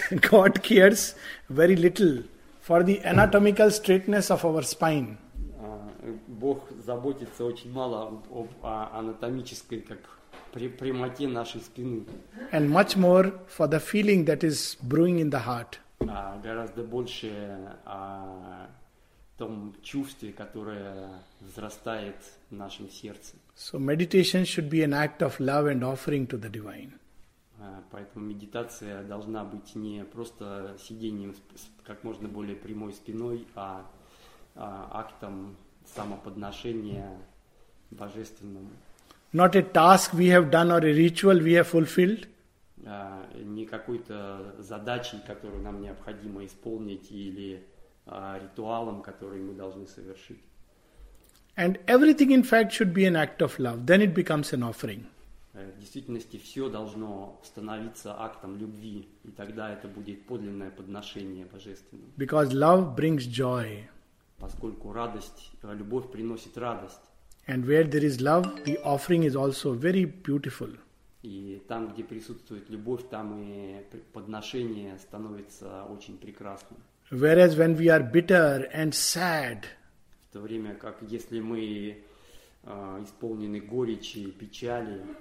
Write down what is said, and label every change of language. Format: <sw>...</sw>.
<en>God cares very little for the anatomical straightness of our spine.</en> <ru>Бог заботится очень мало об анатомической как прямоте нашей спины.</ru> <en>And much more for the feeling that is brewing in the heart.</en> <ru>Гораздо больше о том чувстве, которое взрастает в нашем сердце.</ru> <en>So meditation should be an act of love and offering to the divine.</en> <ru>Поэтому медитация должна быть не просто сидением с как можно более прямой спиной, а актом самоподношения божественному.</ru> <en>Not a task we have done or a ritual we have fulfilled.</en> <ru>Не какой-то задачей, которую нам необходимо исполнить, или ритуалом, который мы должны совершить.</ru> <en>And everything, in fact, should be an act of love. Then it becomes an offering.</en> <ru>В действительности все должно становиться актом любви, и тогда это будет подлинное подношение божественному.</ru> <en>Because love brings joy.</en> <ru>Поскольку радость, любовь приносит радость.</ru> <en>And where there is love, the offering is also very beautiful.</en> <ru>И там, где присутствует любовь, там и подношение становится очень прекрасным.</ru> <en>Whereas when we are bitter and sad,</en> <ru>в то время как если мы исполнены горечи, печали,</ru>